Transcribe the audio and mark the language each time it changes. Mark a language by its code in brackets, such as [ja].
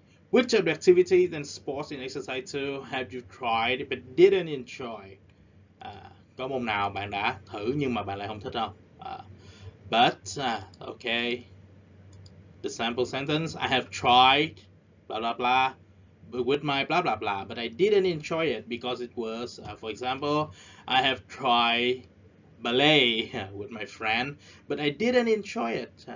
[en] Which of the activities and sports in exercise 2 have you tried but didn't enjoy? [vi] Có môn nào bạn đã thử nhưng mà bạn lại không thích không? [en] But, okay. The sample sentence, I have tried, blah, blah, blah. With my blah blah blah, but I didn't enjoy it because it was, for example, I have tried ballet with my friend, but I didn't enjoy it.